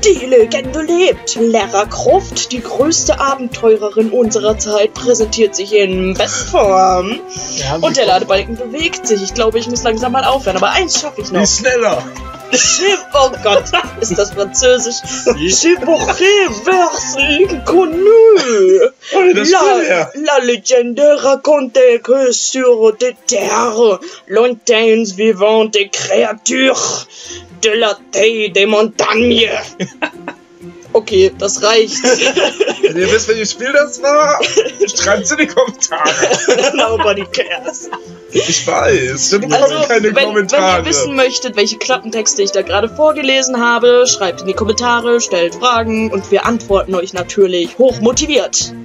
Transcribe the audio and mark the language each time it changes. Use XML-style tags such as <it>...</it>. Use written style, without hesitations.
<de>Die Legende lebt. Lara Croft, die größte Abenteurerin unserer Zeit, präsentiert sich in Bestform. Und der Ladebalken bewegt sich. Ich glaube, ich muss langsam mal aufhören, aber eins schaffe ich noch. Wie schneller! Oh Gott, ist das französisch?</de> <fr>Je pourrais vers l'inconnu. La légende raconte que sur des terres lointaines vivant des créatures de la taille des montagnes.</fr> <de>Okay, das reicht. Wenn ihr wisst, welches Spiel das war, schreibt es in die Kommentare.</de> <en>Nobody cares.</en> <de>Ich weiß, wir bekommen also, keine Kommentare. Wenn ihr wissen möchtet, welche Klappentexte ich da gerade vorgelesen habe, schreibt in die Kommentare, stellt Fragen und wir antworten euch natürlich hochmotiviert.</de>